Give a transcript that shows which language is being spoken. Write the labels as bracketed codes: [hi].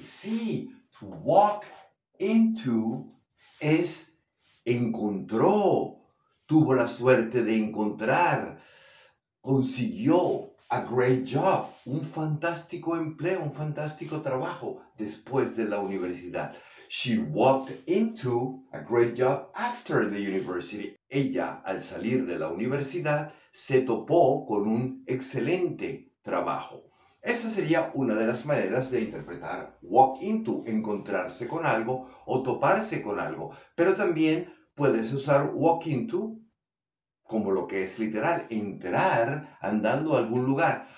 [es] Sí, [en] to walk into [es] es encontró, tuvo la suerte de encontrar, consiguió [en] A great job. [es] Un fantástico empleo, un fantástico trabajo después de la universidad. [en] She walked into a great job after the university. [es] Ella, al salir de la universidad, se topó con un excelente trabajo. Esa sería una de las maneras de interpretar walk into, encontrarse con algo o toparse con algo. Pero también puedes usar walk into como lo que es literal, entrar andando a algún lugar.